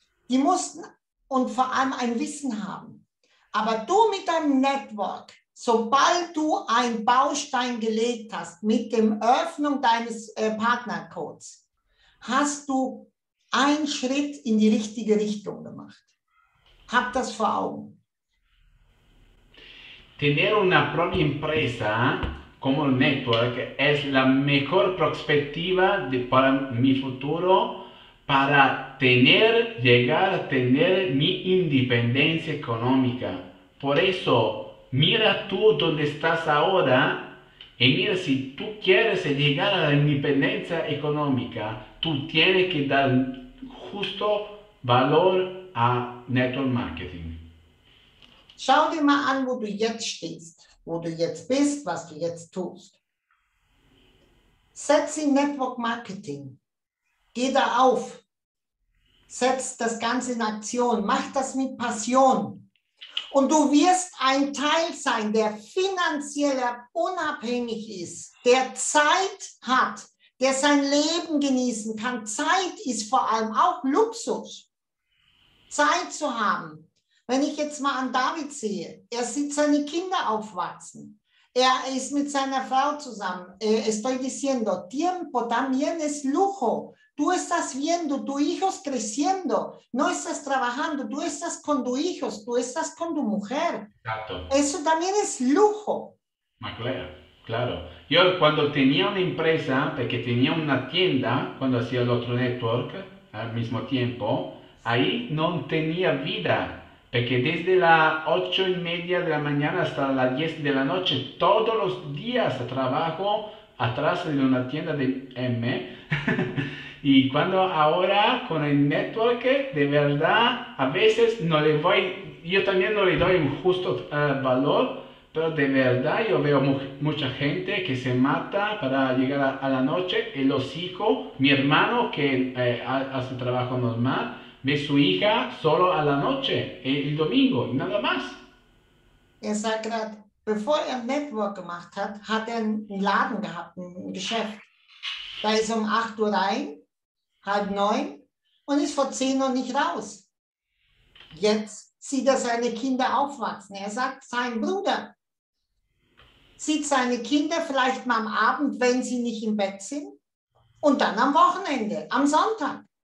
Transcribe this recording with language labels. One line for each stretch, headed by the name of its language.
German: Die mussten und vor allem ein Wissen haben. Aber du mit deinem Network, sobald du einen Baustein gelegt hast mit der Öffnung deines Partnercodes, hast du einen Schritt in die richtige Richtung gemacht. Hab das vor Augen.
Spanish: Tener una propia empresa como el network es la mejor perspectiva para mi futuro, para llegar a tener mi independencia económica. Por eso, mira tú dónde estás ahora y mira si tú quieres llegar a la independencia económica, tú tienes que dar justo valor a network marketing.
German: Schau dir mal an, wo du jetzt stehst, wo du jetzt bist, was du jetzt tust. Setz in Network Marketing. Geh da auf. Setz das Ganze in Aktion. Mach das mit Passion. Und du wirst ein Teil sein, der finanziell unabhängig ist, der Zeit hat, der sein Leben genießen kann. Zeit ist vor allem auch Luxus, Zeit zu haben. Wenn ich jetzt mal an David sehe, er sieht seine Kinder aufwachsen. Er ist mit seiner Frau zusammen.
Spanish: Estoy diciendo, tiempo también es lujo. Tú estás viendo tu hijos creciendo. No estás trabajando. Tú estás con tu hijos. Tú estás con tu mujer. Exacto. Eso también es lujo. Claro, claro. Yo cuando tenía una empresa, porque tenía una tienda, cuando hacía el otro network, al mismo tiempo, ahí no tenía vida. Porque desde las 8:30 de la mañana hasta las 10 de la noche, todos los días trabajo atrás de una tienda de M. Y cuando ahora con el network, de verdad, a veces no le voy, yo también no le doy un justo valor, pero de verdad yo veo mucha gente que se mata para llegar a la noche, y los hijos, mi hermano que hace trabajo normal, ve su hija solo a la noche, el domingo, y nada más. Exacto.
German: Bevor er Network gemacht hat, hat er einen Laden gehabt, ein Geschäft. Da ist um 8 Uhr rein, 8:30 und ist vor 10 Uhr nicht raus. Jetzt sieht er seine Kinder aufwachsen. Er sagt, sein Bruder sieht seine Kinder vielleicht mal am Abend, wenn sie nicht im Bett sind, und dann am Wochenende, am Sonntag.